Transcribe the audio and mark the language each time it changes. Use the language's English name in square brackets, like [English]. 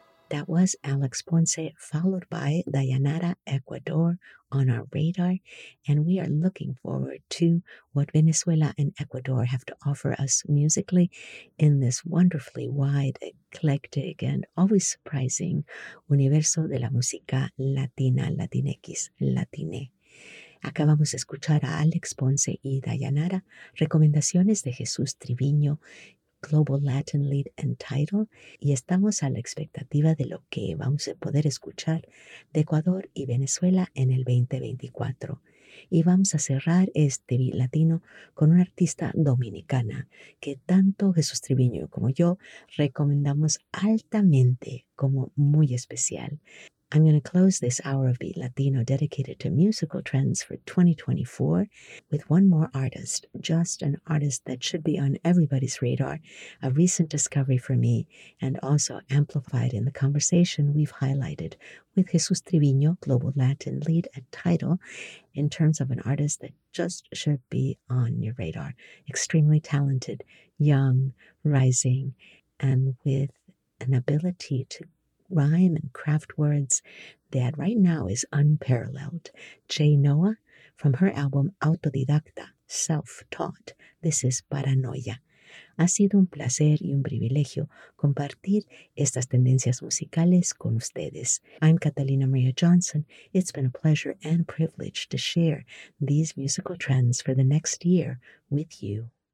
[English] That was Alex Ponce, followed by Dayanara Ecuador on our radar. And we are looking forward to what Venezuela and Ecuador have to offer us musically in this wonderfully wide, eclectic, and always surprising [Spanish] universo de la música latina, [English] Latinx, Latine. [Spanish] Acabamos de escuchar a Alex Ponce y Dayanara, recomendaciones de Jesús Triviño, Global Latin Lead and Title, y estamos a la expectativa de lo que vamos a poder escuchar de Ecuador y Venezuela en el 2024. Y vamos a cerrar este Beat Latino con una artista dominicana que tanto Jesús Triviño como yo recomendamos altamente como muy especial. [English] I'm going to close this hour of Beat Latino dedicated to musical trends for 2024 with one more artist, just an artist that should be on everybody's radar, a recent discovery for me, and also amplified in the conversation we've highlighted with Jesús Triviño, Global Latin Lead at Tidal, in terms of an artist that just should be on your radar. Extremely talented, young, rising, and with an ability to rhyme and craft words that right now is unparalleled. Jay Noah, from her album Autodidacta, Self-Taught, this is Paranoia. [Spanish] Ha sido un placer y un privilegio compartir estas tendencias musicales con ustedes. [English] I'm Catalina Maria Johnson. It's been a pleasure and privilege to share these musical trends for the next year with you.